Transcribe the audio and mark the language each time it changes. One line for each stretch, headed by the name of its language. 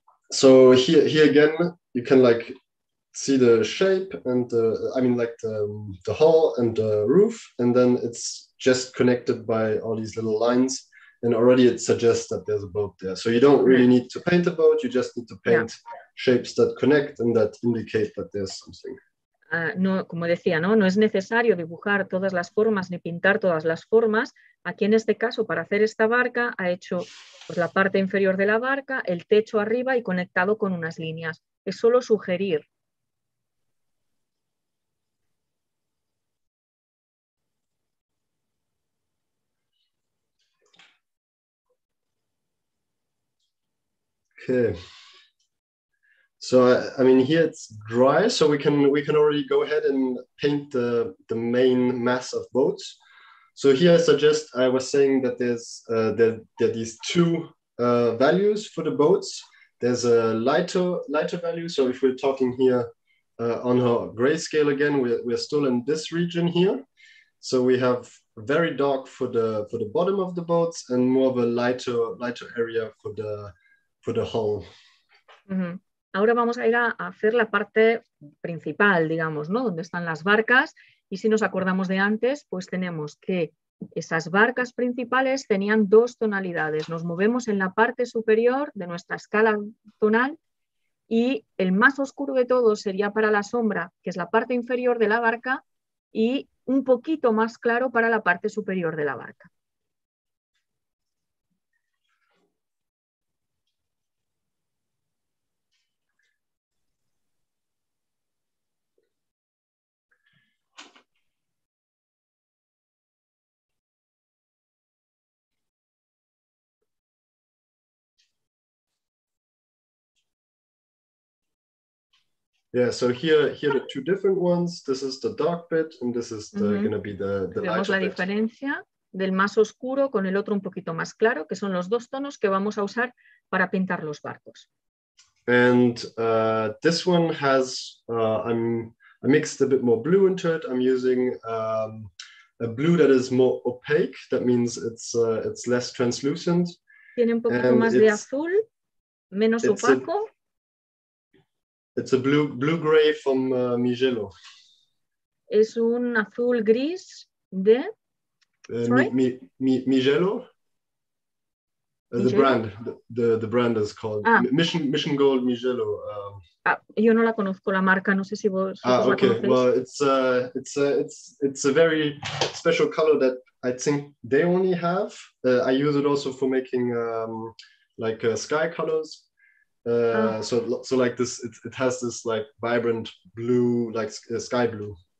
English: So here again, you can like see the shape and the hull and the roof, and then it's just connected by all these little lines, and already it suggests that there's a boat there. So you don't really need to paint a boat, you just need to paint shapes that connect and that indicate that there's something.
Spanish: No, como decía, ¿no? No es necesario dibujar todas las formas ni pintar todas las formas. Aquí en este caso, para hacer esta barca, ha hecho pues, la parte inferior de la barca, el techo arriba y conectado con unas líneas. Es solo sugerir.
English: Okay. So I mean, here it's dry, so we can already go ahead and paint the main mass of boats. So here I was saying that there are these two values for the boats. There's a lighter value. So if we're talking here on her grayscale again, we're still in this region here. So we have very dark for the bottom of the boats and more of a lighter area for the hull. Mm-hmm.
Spanish: Ahora vamos a ir a hacer la parte principal, digamos, ¿no? Donde están las barcas. Y si nos acordamos de antes, pues tenemos que esas barcas principales tenían dos tonalidades. Nos movemos en la parte superior de nuestra escala tonal y el más oscuro de todos sería para la sombra, que es la parte inferior de la barca, y un poquito más claro para la parte superior de la barca.
English: Yeah, so here are the two different ones. This is the dark bit, and this is going to be the lighter bit.
Spanish: Vemos la diferencia del más oscuro con el otro un poquito más claro, que son los dos tonos que vamos a usar para pintar los barcos.
English: And this one has I mixed a bit more blue into it. I'm using a blue that is more opaque. That means it's less translucent.
Spanish: Tiene un poquito and más de azul, menos opaco.
English: It's a blue gray from Mijello.
Spanish: Es un azul gris de
English: Mijello. The brand is called Mission Gold Mijello.
Spanish: Yo no la conozco la marca, no sé si vos la conoces.
English: Well, it's a very special color that I think they only have. I use it also for making sky colors. So like this, it has this like vibrant blue, like sky blue.